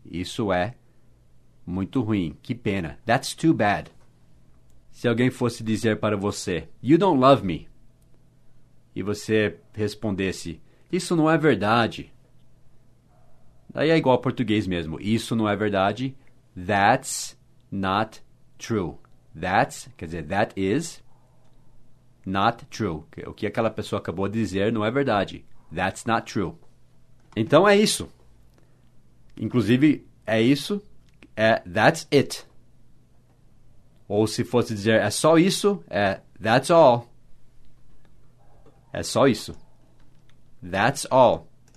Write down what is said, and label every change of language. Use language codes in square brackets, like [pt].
[pt] Isso é muito ruim. Que pena. [en] That's too bad. [pt] Se alguém fosse dizer para você, [en] you don't love me. [pt] E você respondesse, isso não é verdade. Aí é igual ao português mesmo. Isso não é verdade. [en] That's not true. That's, [pt] quer dizer, [en] that is not true. [pt] O que aquela pessoa acabou de dizer não é verdade. [en] That's not true. [pt] Então é isso. Inclusive, é isso. [en] É that's it. [pt] Ou se fosse dizer é só isso, é [en] that's all. [pt] É só isso. [en] That's all.